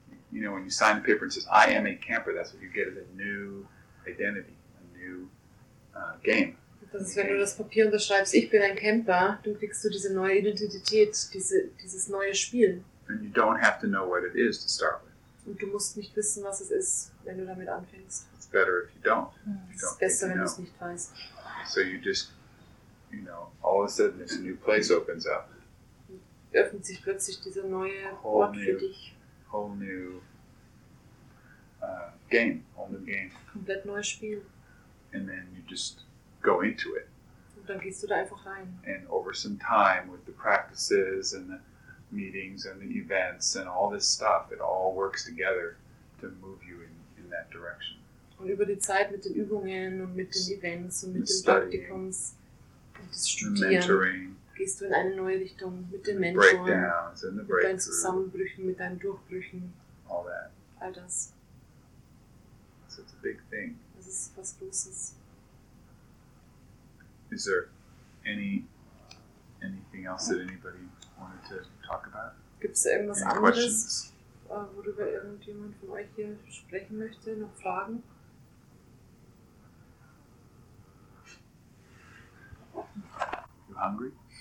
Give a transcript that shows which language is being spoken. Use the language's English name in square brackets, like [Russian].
[English] you know, when you sign the paper and says, I am a camper, that's what you get, is a new identity, a new game. [German] Das ist, wenn du das Papier unterschreibst, ich bin ein Camper, dann kriegst du diese neue Identität, dieses neue Spiel. [English] And you don't have to know what it is to start with. [German] Und du musst nicht wissen, was es ist, wenn du damit anfängst. [English] It's better if you don't. [German] Es ist besser, wenn du es nicht weißt. [English] So you just, you know, all of a sudden this new place opens up. [German] Öffnet sich plötzlich dieser neue Ort für dich. [English] Whole new game, whole new game. [German] Komplett neues Spiel. [English] And then you just go into it. [German] Und dann gehst du da einfach rein. [English] And over some time with the practices and the meetings and the events and all this stuff, it all works together to move you in that direction. [German] Und über die Zeit mit den Übungen und mit den Events und mit den Praktikums und das Studieren gehst du in eine neue Richtung mit den Mentoren, mit deinen Zusammenbrüchen, mit deinen Durchbrüchen. [English] All that. [German] All das. [English] So it's a big thing. [German] Das ist was Großes. [English] Is there anything else that anybody wanted to talk about? [German] Gibt's da irgendwas anderes, worüber irgendjemand von euch hier sprechen möchte, noch Fragen? [English] You hungry?